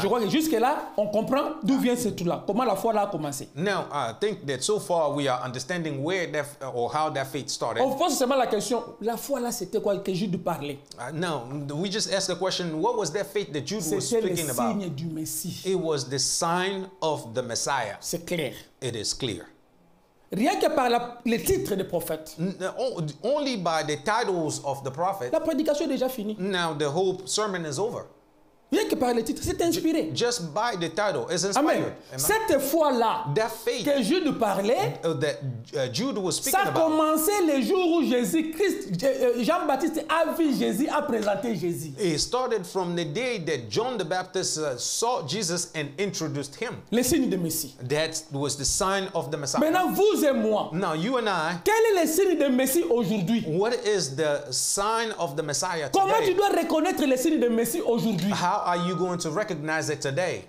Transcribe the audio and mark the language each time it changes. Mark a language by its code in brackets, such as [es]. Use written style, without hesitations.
[fr] Je crois que jusque là, on comprend d'où vient ce truc-là. Comment la foi là a commencé. [en] Now, I think that so far we are understanding where that or how that faith started. [fr] On pose seulement la question, la foi là c'était quoi que Jude parlait. [en] Now, we just ask the question, what was that faith that Jude [fr] c'était [en] was speaking about? [fr] C'était le signe du Messie. [en] It was the sign of the Messiah. [fr] C'est clair. [en] It is clear. [fr] Rien que par le titre de prophète. [en] Only by the titles of the prophet. [fr] La prédication est déjà finie. [en] Now, the whole sermon is over. [fr] Rien que par le titre, c'est inspiré. [en] Just by the title, it's inspired. [fr] Amen. Amen. Cette foi-là, [en] that faith [fr] que Jude parlait, [en] that Jude was speaking [fr] ça [en] about, [fr] ça commençait le jour où Jésus-Christ, Jean-Baptiste a vu Jésus, a présenté Jésus. [en] It started from the day that John the Baptist saw Jesus and introduced him. [fr] Le signe de Messie. [en] That was the sign of the Messiah. [fr] Maintenant, vous et moi, [en] now, you and I, [fr] quel est le signe de Messie aujourd'hui? [en] What is the sign of the Messiah today? [fr] Comment tu dois reconnaître le signe de Messie aujourd'hui? [en] How are you going to recognize it today?